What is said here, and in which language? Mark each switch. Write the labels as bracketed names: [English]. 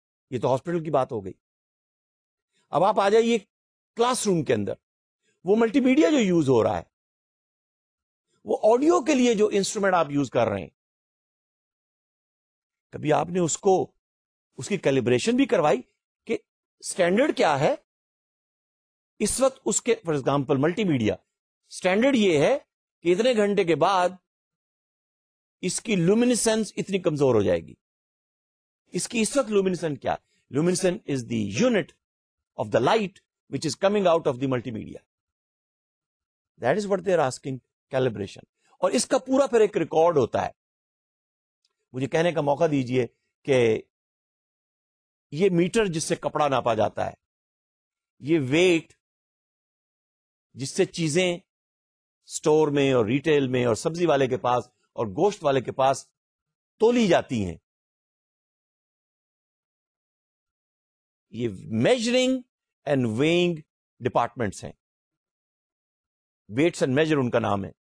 [Urdu] یہ تو ہاسپٹل کی بات ہو گئی. اب آپ آ جائیے کلاس روم کے اندر، وہ ملٹی میڈیا جو یوز ہو رہا ہے، وہ آڈیو کے لیے جو انسٹرومنٹ آپ یوز کر رہے ہیں، کبھی آپ نے اس کی کیلیبریشن بھی کروائی کہ سٹینڈرڈ کیا ہے اس وقت اس کے؟ For example multi media standard یہ ہے کہ اتنے گھنٹے کے بعد اس کی لومینیسنس اتنی کمزور ہو جائے گی. اس کی اس وقت لومینیسنس کیا؟ [English] Luminescence is the unit of the light which is coming out of the multimedia. That is what they are asking calibration. [Urdu] اور اس کا پورا پھر ایک ریکارڈ ہوتا ہے. مجھے کہنے کا موقع دیجئے کہ یہ میٹر جس سے کپڑا ناپا جاتا ہے، یہ ویٹ جس سے چیزیں سٹور میں اور ریٹیل میں اور سبزی والے کے پاس اور گوشت والے کے پاس تولی جاتی ہیں، یہ میجرنگ اینڈ وینگ ڈپارٹمنٹس ہیں، ویٹس اینڈ میجر ان کا نام ہے.